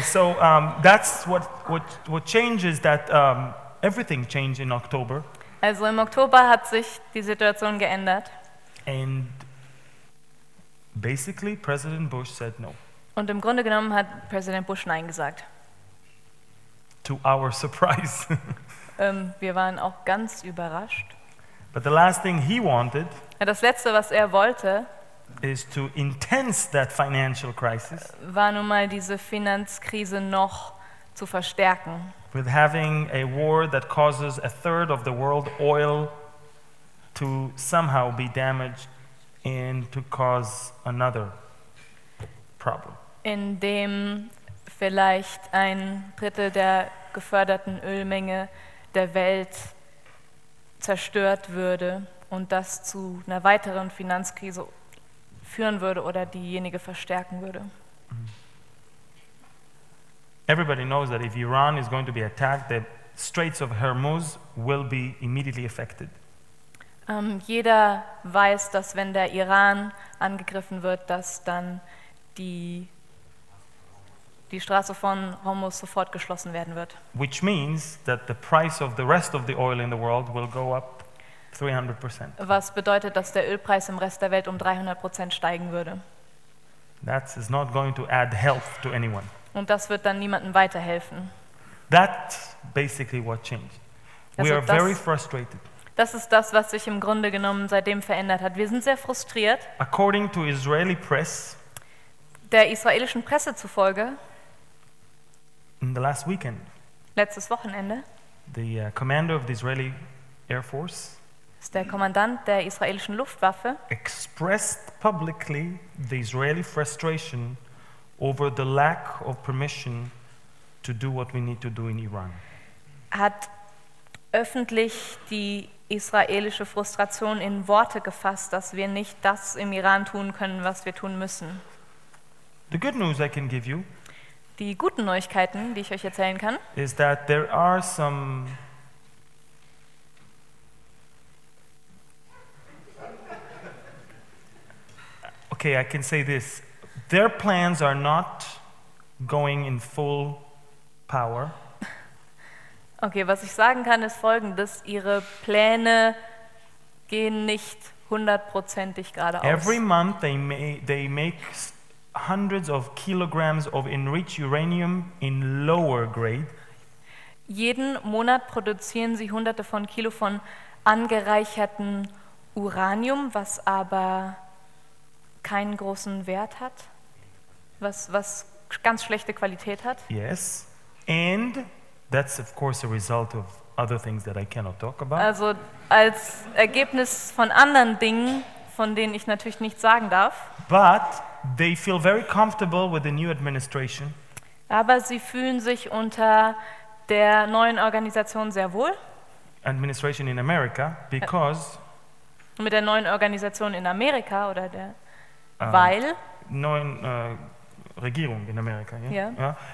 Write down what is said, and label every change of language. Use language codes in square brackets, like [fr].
[en] So that's what changes that everything changed in October. [de] Also im Oktober hat sich die Situation geändert. [en] And basically President Bush said no. [de] Und im Grunde genommen hat Präsident Bush Nein gesagt. [en] To our surprise. [de] Wir waren auch ganz überrascht. [en] But the last thing he wanted, [de] das Letzte, was er wollte, [en] is to intense that financial crisis, [de] war nun mal diese Finanzkrise noch zu verstärken. [en] With having a war that causes a third of the world oil to somehow be damaged and to cause another problem. [de] Indem vielleicht ein Drittel der geförderten Ölmenge der Welt zerstört würde und das zu einer weiteren Finanzkrise führen würde oder diejenige verstärken würde. [en] Everybody knows that if Iran is going to be attacked, the Straits of Hormuz will be immediately affected. [de] Jeder weiß, dass wenn der Iran angegriffen wird, dass dann die Straße von Hormuz sofort geschlossen werden wird. [en] Which means that the price of the rest of the oil in the world will go up 300%. [de] Was bedeutet, dass der Ölpreis im Rest der Welt um 300% steigen würde. [en] That is not going to add health to anyone. [de] Und das wird dann niemandem weiterhelfen. [en] That's basically what changed. We are very frustrated. [de] Das ist das, was sich im Grunde genommen seitdem verändert hat. Wir sind sehr frustriert. [en] According to Israeli press, [de] der israelischen Presse zufolge, [en] in the last weekend, [de] letztes Wochenende, [en] the commander of the Israeli Air Force, [de] Der Kommandant der israelischen Luftwaffe [en] expressed publicly the Israeli frustration over the lack of permission to do what we need to do in Iran. [de] Hat öffentlich die israelische Frustration in Worte gefasst, dass wir nicht das im Iran tun können, was wir tun müssen. [en] The good news I can give you, [de] die guten Neuigkeiten, die ich euch erzählen kann, [en] is that there are some okay, I can say this. Their plans are not going in full power. [de] Okay, was ich sagen kann, ist folgendes. Ihre Pläne gehen nicht hundertprozentig gerade aus. [en] Every month they make hundreds of kilograms of enriched uranium in lower grade. [de] Jeden Monat produzieren sie hunderte von Kilo von angereichertem Uranium, was aber keinen großen Wert hat, was ganz schlechte Qualität hat. [en] Yes, and that's of course a result of other things that I cannot talk about. [de] Also als Ergebnis von anderen Dingen, von denen ich natürlich nichts sagen darf. [en] But they feel very comfortable with the new administration. [de] Aber sie fühlen sich unter der neuen Organisation sehr wohl. [en] Administration in America, because [de] mit der neuen Organisation in Amerika oder der weil neuen Regierung in Amerika, ja, yeah. Yeah.